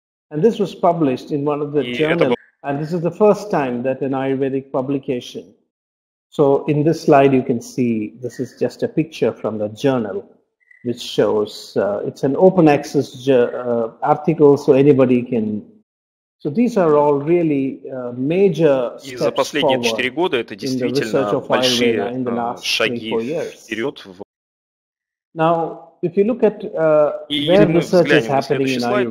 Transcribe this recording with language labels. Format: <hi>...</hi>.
<en>And this was published in one of the journals. And this is the first time that an Ayurvedic publication. So in this slide, you can see this is just a picture from the journal, which shows it's an open access article, so anybody can. So these are all really major steps</en> <ru>за последние</ru> <en>forward</en> <ru>4 года это действительно большие шаги вперед.</ru> <en>Now, if you look at where research is happening in Ayurveda,</en>